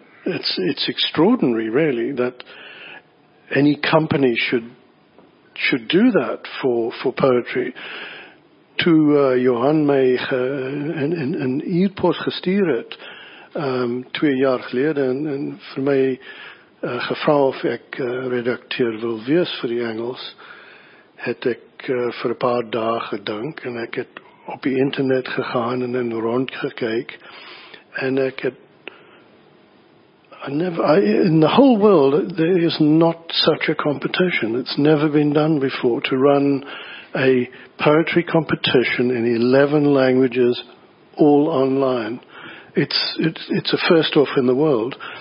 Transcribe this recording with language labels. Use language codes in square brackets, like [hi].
[en] It's extraordinary, really, that any company should do that for poetry. [af] To Johan Meijer in e-post gestuur het 2 jaar geleden en vir my gevra of ek redakteur wil wees vir die Engels, het ek vir 'n paar dae gedink en ek het op die internet gegaan en in rond gekyk en ek het [en] in the whole world, there is not such a competition. It's never been done before to run a poetry competition in 11 languages all online. It's a first off in the world.